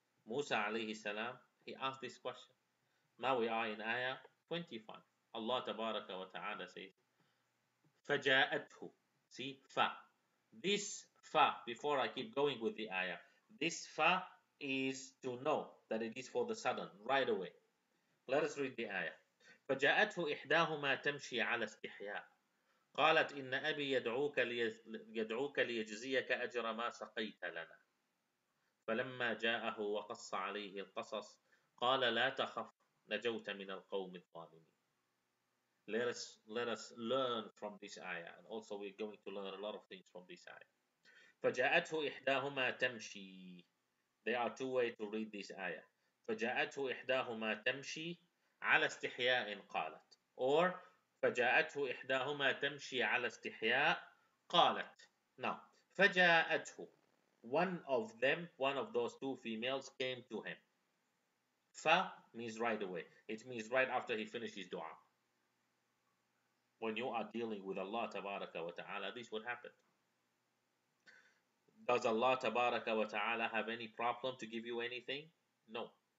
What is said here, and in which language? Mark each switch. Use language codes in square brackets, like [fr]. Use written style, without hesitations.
[en] Musa alayhi salam, he asked this question. Now we are in ayah 25. Allah tabaraka wa ta'ala says, فَجَاءَتْهُ See, fa. This fa, before I keep going with the ayah, this fa is to know that it is for the sudden, right away. Let us read the ayah. [ar] فَجَاءَتْهُ إِحْدَاهُمَا تَمْشِي عَلَى اسْتِحْيَاء قَالَتْ إِنَّ أَبِي يَدْعُوكَ لِيَجْزِيَكَ أَجْرَ مَا سَقَيْتَ لَنَا فلما جاءه وقص عليه القصص قال لا تخف نجوت من القوم الظالمين [en] Let us learn from this ayah and also we're going to learn a lot of things from this ayah [ar] فجاءته إحداهما تمشي [en] There are two ways to read this ayah [ar] فجاءته إحداهما تمشي على استحياء قالت [en] or فجاءته إحداهما تمشي على استحياء قالت Now فجاءته One of them, one of those two females came to him. Fa means right away. It means right after he finished his dua. when you are dealing with Allah tabaraka wa ta'ala, this would happen. Does Allah tabaraka wa ta'ala have any problem to give you anything? No.